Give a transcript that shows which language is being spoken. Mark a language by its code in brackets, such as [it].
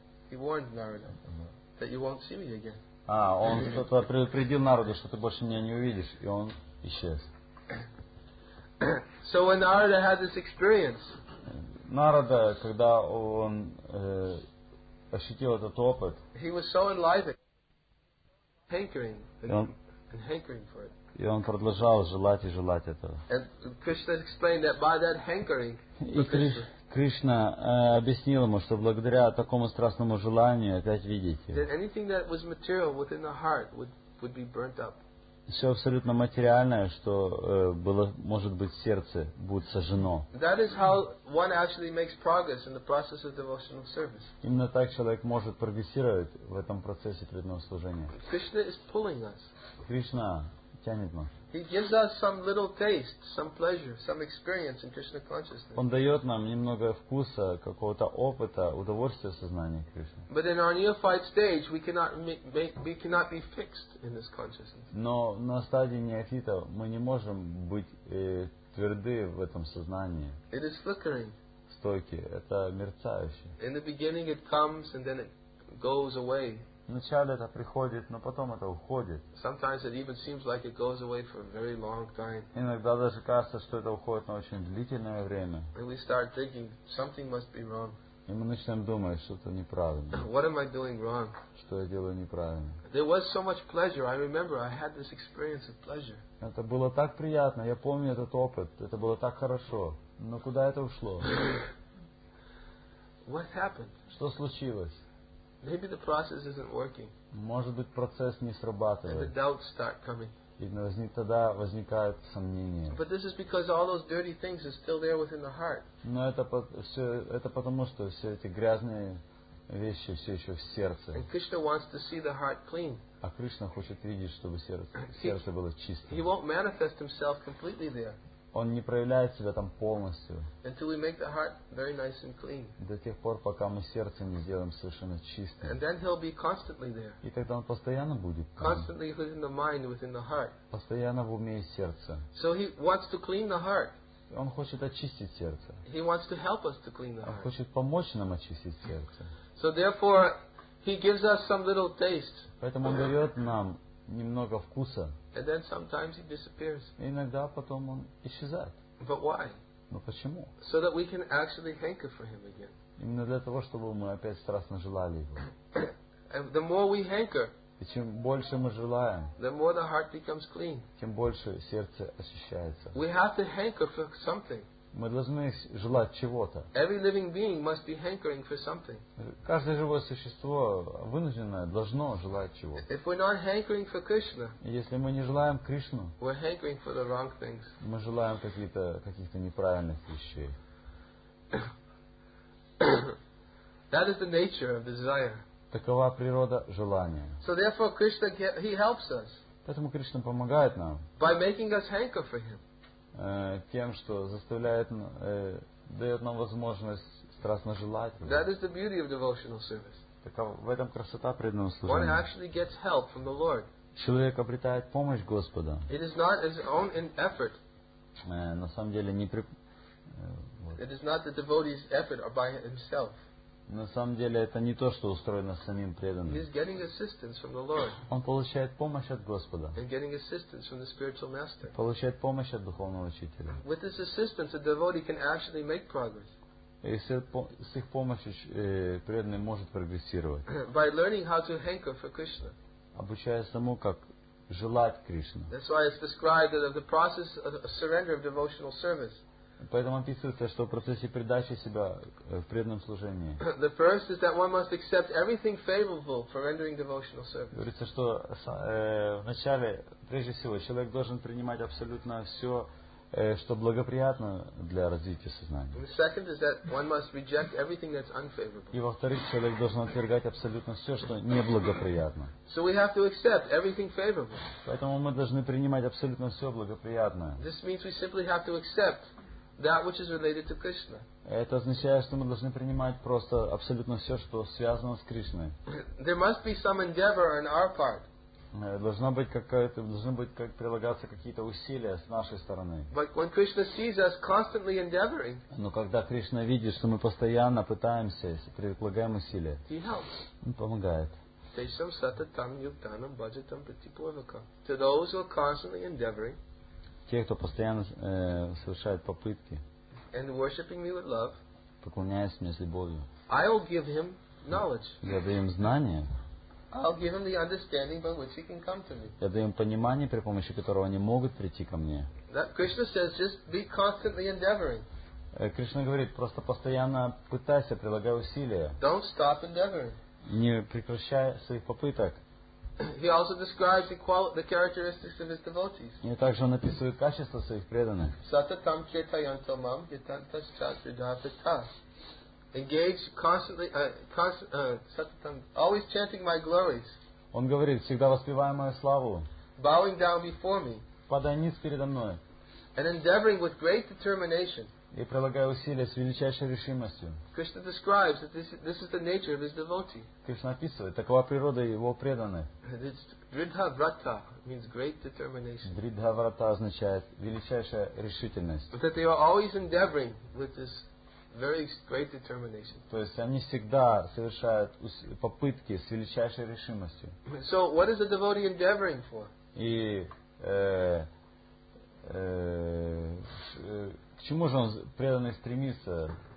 [en] He warned Narada that you won't see me again. [ru] Он предупредил Нараду, что ты больше меня не увидишь, и он исчез. [en] So when Narada had this experience, [ru] Нарада, когда он ощутил этот опыт, [en] he was so enlivened, hankering for it. [ru] И он продолжал желать и желать этого. [en] And Krishna explained that by that hankering, [ru] Кришна объяснил ему, что благодаря такому страстному желанию опять видеть его. Все абсолютно материальное, что было, может быть, в сердце, будет сожжено. [en] That is how one actually makes progress in the process of devotional service. [ru] Именно так человек может прогрессировать в этом процессе преданного служения. [en] Krishna is pulling us. [ru] Кришна тянет нас. [en] He gives us some little taste, some pleasure, some experience in Krishna consciousness. [ru] Он дает нам немного вкуса, какого-то опыта, удовольствия сознания Кришны. [en] But in our neophyte stage, we cannot be fixed in this consciousness. [ru] Но на стадии неофита мы не можем быть тверды в этом сознании. [en] It is flickering. [ru] Стойкие, это мерцающее. [en] In the beginning, it comes and then it goes away. [ru] Вначале это приходит, но потом это уходит. [en] Sometimes it even seems like it goes away for a very long time. [ru] Иногда даже кажется, что это уходит на очень длительное время. [en] And we start thinking something must be wrong. [ru] И мы начинаем думать, что-то неправильно. [en] What am I doing wrong? [ru] Что я делаю неправильно? [en] There was so much pleasure. I remember I had this experience of pleasure. [ru] Это было так приятно. Я помню этот опыт. Это было так хорошо. Но куда это ушло? [en] What happened? [ru] Что случилось? [en] Maybe the process isn't working. [ru] Может быть, процесс не срабатывает. [en] And the doubts start coming. [ru] И тогда возникают сомнения. [en] But this is because all those dirty things are still there within the heart. [ru] Но это потому, что все эти грязные вещи все еще в сердце. [en] And Krishna wants to see the heart clean. [ru] А Кришна хочет видеть, чтобы сердце было чистым. [en] He won't manifest himself completely there. [ru] Он не проявляет себя там полностью. [en] Until we make the heart very nice and clean. [ru] До тех пор, пока мы сердце не сделаем совершенно чистым. [en] And then he'll be constantly there. [ru] И тогда он постоянно будет там. [en] Constantly within the mind, within the heart. [ru] Постоянно в уме и сердце. [en] So he wants to clean the heart. [ru] Он хочет очистить сердце. [en] He wants to help us to clean the heart. [ru] Он хочет помочь нам очистить сердце. [en] So therefore, he gives us some little taste. [ru] Поэтому он дает нам немного вкуса. [en] And then sometimes he disappears. [ru] Иногда потом он исчезает. [en] But why? [ru] Но почему? [en] So that we can actually hanker for him again. [ru] Именно для того, чтобы мы опять страстно желали его. [en] And the more we hanker, [ru] и чем больше мы желаем, [en] the more the heart becomes clean. [ru] Тем больше сердце очищается. [en] We have to hanker for something. [ru] Мы должны желать чего-то. [en] Every living being must be hankering for something. [ru] Каждое живое существо вынужденное должно желать чего-то. [en] If we're not hankering for Krishna, [ru] если мы не желаем Кришну, [en] we're hankering for the wrong things. [ru] Мы желаем каких-то неправильных вещей. [en] That is the nature of desire. [ru] Такова природа желания. [en] So therefore, Krishna, he helps us. [ru] Поэтому Кришна помогает нам. [en] By making us hanker for him. [ru] Тем, что заставляет, дает нам возможность страстно желать. [en] That is the beauty of devotional service. [ru] В этом красота преданного служения. [en] One actually gets help from the Lord. [ru] Человек обретает помощь Господа. [en] It is not his own effort. [ru] На самом деле не при. [en] It is not the devotee's effort or by himself. [ru] На самом деле это не то, что устроено самим преданным. [en] He is getting assistance from the Lord. [ru] Он получает помощь от Господа. [en] And getting assistance from the spiritual master. [ru] Получает помощь от духовного учителя. [en] With this assistance, a devotee can actually make progress. [ru] И с их помощью преданный может прогрессировать. [en] By learning how to hanker for Krishna. [ru] Обучаясь тому, как желать Кришну. [en] That's why it's described that the process of surrender of devotional service. [ru] Поэтому описывается, что в процессе предачи себя в преданном служении. [en] The first is that one must accept everything favorable for rendering devotional service. [ru] Говорится, что вначале, прежде всего, человек должен принимать абсолютно все, что благоприятно для развития сознания. [en] The second is that one must reject everything that's unfavorable. [ru] И во-вторых, человек должен отвергать абсолютно все, что неблагоприятно. [en] So we have to accept everything favorable. [ru] Поэтому мы должны принимать абсолютно все благоприятное. [en] This means we simply have to accept that which is related to Krishna. [ru] Это означает, что мы должны принимать просто абсолютно все, что связано с Кришной. [en] There must be some endeavor on our part. [ru] Должны прилагаться какие-то усилия с нашей стороны. [en] But when Krishna sees us constantly endeavoring, [ru] но когда Кришна видит, что мы постоянно пытаемся, прилагаем усилия, [en] he helps. [ru] Он помогает. [sa] Tesham satatam yuktanam bhajatam pratipurvakam. [en] To those who are constantly endeavoring, [ru] те, кто постоянно совершает попытки, [en] and worshiping me with love, [ru] поклоняясь мне с любовью, [en] I will give him knowledge. [ru] Я даю им знания. [en] I'll give him the understanding by which he can come to me. [ru] Я даю им понимание, при помощи которого они могут прийти ко мне. [en] That Krishna says, just be constantly endeavoring. [ru] Кришна говорит, просто постоянно пытайся, прилагай усилия. [en] Don't stop endeavoring. [ru] Не прекращай своих попыток. [en] He also describes the characteristics of his devotees. [ru] И также он описывает качества своих преданных. [sa] Satatam ketayantamam yatantas chasridhapitas. [en] Engage constantly, satatam, always chanting my glories. [ru] Он говорит, всегда воспевая мою славу. [en] Bowing down before me. [ru] Падая ниц передо мной. [en] And endeavoring with great determination. [ru] И прилагая усилия с величайшей решимостью. [en] Krishna describes that this is the nature of his devotee. [ru] Кришна описывает, такова природа его преданных. [en] Dridhavrata means great determination. [ru] Dridhavrata означает величайшая решительность. [en] But that they are always endeavoring with this very great determination. [ru] То есть они всегда совершают попытки с величайшей решимостью. [en] So what is the devotee endeavoring for? [ru] И к чему же он преданный стремится?